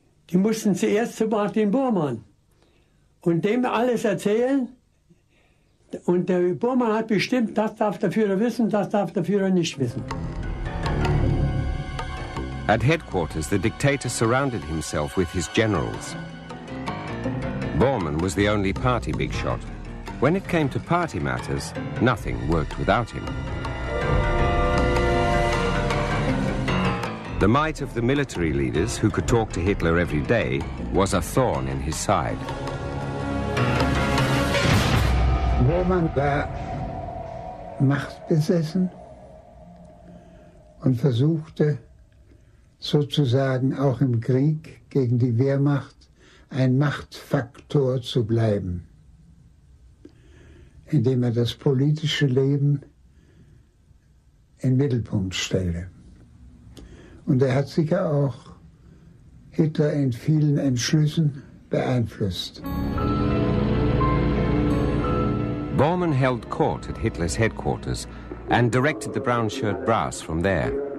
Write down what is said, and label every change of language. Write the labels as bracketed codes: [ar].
[de] Die mussten zuerst zu Martin Bormann und dem alles erzählen. Und der Bormann hat bestimmt, das darf der Führer wissen, das darf der Führer nicht wissen. [en] At headquarters, the dictator surrounded himself with his generals. Bormann was the only party big shot. When it came to party matters, nothing worked without him. The might of the military leaders, who could talk to Hitler every day, was a thorn in his side. [de] Bormann war machtbesessen und versuchte sozusagen auch im Krieg gegen die Wehrmacht ein Machtfaktor zu bleiben, indem er das politische Leben in den Mittelpunkt stellte. Und er hat sicher auch Hitler in vielen Entschlüssen beeinflusst. [en] Bormann held court at Hitler's headquarters and directed the brown shirt brass from there.